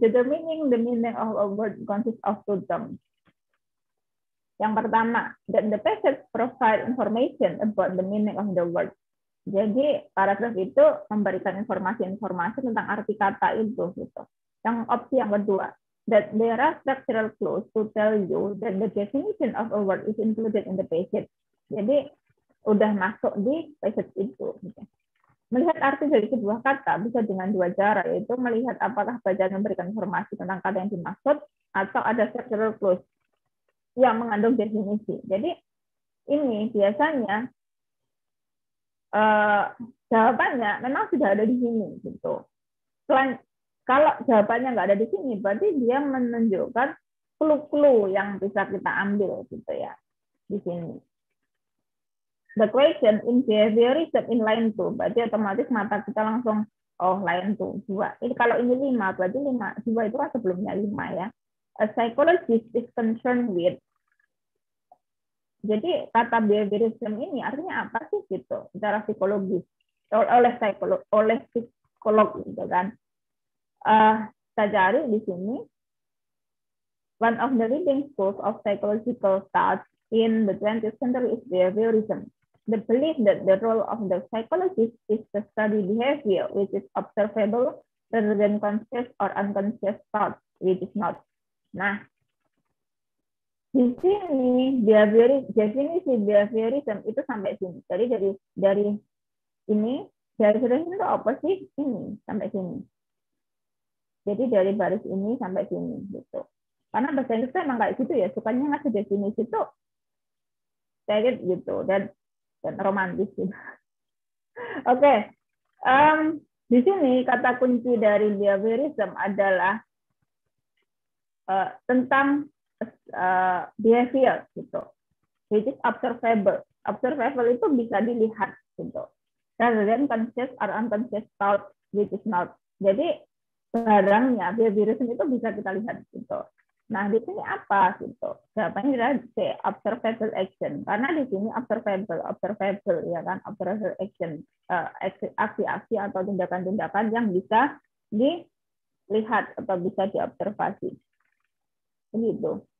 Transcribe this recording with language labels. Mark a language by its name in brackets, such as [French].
[English] the meaning of a word consists of two terms. [Indonesian] Yang pertama, [English] that the passage provide information about the meaning of the word. [Indonesian] Jadi paragraf itu memberikan informasi-informasi tentang arti kata itu gitu. Yang opsi yang kedua, [English] that there are structural clues to tell you that the definition of a word is included in the passage. [Indonesian] Jadi udah masuk di passage itu. Gitu. Melihat arti dari sebuah kata bisa dengan dua cara, yaitu melihat apakah bacaan memberikan informasi tentang kata yang dimaksud atau ada structural clues yang mengandung definisi. Jadi ini biasanya jawabannya memang sudah ada di sini gitu. Selain, kalau jawabannya nggak ada di sini, berarti dia menunjukkan clue-clue yang bisa kita ambil gitu ya di sini. [English] The question in behaviorism in line 2, [Indonesian] berarti otomatis mata kita langsung, oh line 2, 2. Ini kalau ini 5, berarti 5, 2 itu kan sebelumnya 5 ya. [English] A psychologist is concerned with. [Indonesian] Jadi kata behaviorism ini artinya apa sih gitu, secara psikologis, oleh psikolog gitu kan. Kita cari di sini, [English] one of the leading schools of psychological thought in the 20th century is behaviorism. The belief that the role of the psychologist is to study behavior, which is observable rather than conscious or unconscious thought, which is not. [Indonesian] Nah, di sini definisi behaviorism itu sampai sini. Jadi dari ini apa sih? Ini sampai sini. Jadi dari baris ini sampai sini gitu. Karena bahasa Inggris emang kayak gitu ya, sukanya ngasih definisi itu target gitu dan romantis gitu. Oke, okay. Di sini kata kunci dari behaviorism adalah tentang behavior gitu, [English] which is observable. [Indonesian] Observable itu bisa dilihat gitu. [English] Rather than conscious or unconscious thought, which is not. [Indonesian] Jadi barangnya behaviorism itu bisa kita lihat gitu. Nah di sini apa gitu? Jawabannya adalah observable action, karena di sini observable ya kan, observable action, aksi-aksi atau tindakan-tindakan yang bisa dilihat atau bisa diobservasi gitu.